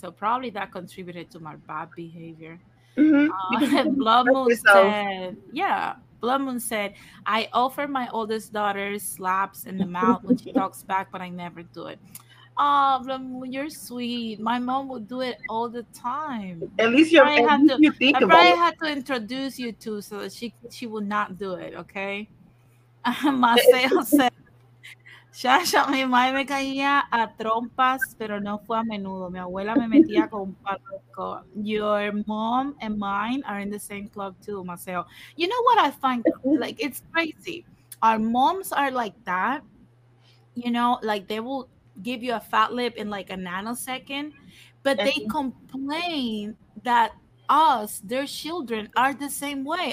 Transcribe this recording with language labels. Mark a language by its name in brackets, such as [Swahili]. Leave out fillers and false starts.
[English] So probably that contributed to my bad behavior. Blood Moon said, I offer my oldest daughter slaps in the mouth when she talks back, but I never do it. Oh, Blood Moon, you're sweet. My mom would do it all the time. At least you think about it. I had to introduce you to so that she would not do it, okay? Marcelo said, [Spanish] Shasha mi madre me caía a trompas, pero no fue a menudo. Mi abuela me metía con un palo. [English] Your mom and mine are in the same club too, Marcelo. You know what I find? Like, it's crazy. Our moms are like that. You know, like, they will give you a fat lip in like a nanosecond, but they complain that us, their children, are the same way.